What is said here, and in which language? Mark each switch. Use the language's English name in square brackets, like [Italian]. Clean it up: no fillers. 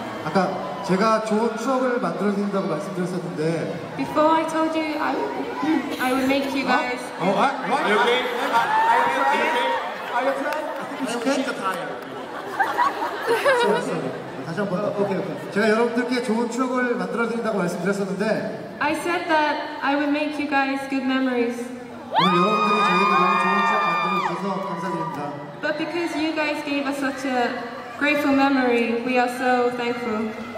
[Korean] 아까 제가 좋은 추억을 만들어 드린다고 말씀드렸었는데 [English] Before I told you I would make you guys Are you okay? Are you okay? Are you okay? [Korean] 제가 여러분들께 좋은 추억을 만들어 드린다고 말씀드렸었는데 [English] I said that I would make you guys good memories [Korean] 오늘 여러분들이 저희에게 너무 좋은 추억 만들어 주셔서 감사드립니다 [English] But because you guys gave us such a grateful memory we are so thankful